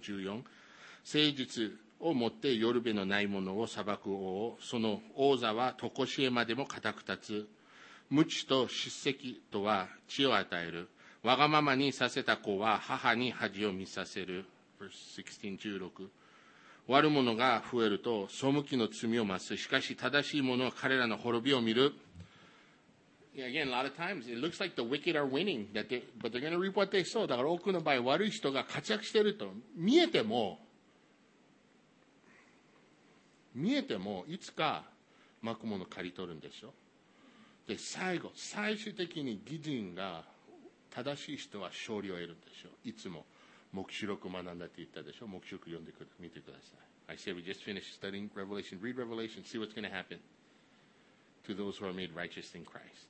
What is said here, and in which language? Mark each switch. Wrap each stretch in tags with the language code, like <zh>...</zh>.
<ja>14、誠実をもってよるべのないものを裁く王、その王座は常しえまでも固く立つ。無知と叱責とは血を与える。わがままにさせた子は母に恥を見させる。</ja> <en>Verse 16, 16、</en> <ja>悪者が増えると背きの罪を増す。しかし正しい者は彼らの滅びを見る。</ja> <en>Yeah, again, a lot of times it looks like the wicked are winning, that they, but they're going to reap what they sow.</en> <ja>だから多くの場合悪い人が活躍していると見えてもいつか巻くもの刈り取るんでしょ。で最後最終的に義人が正しい人は勝利を得るんでしょ。いつも黙示録学んだって言ったでしょ。黙示録読んでくる、見てください。</ja> <en>I say we just finished studying Revelation. Read Revelation, see what's going to happen to those who are made righteous in Christ.</en>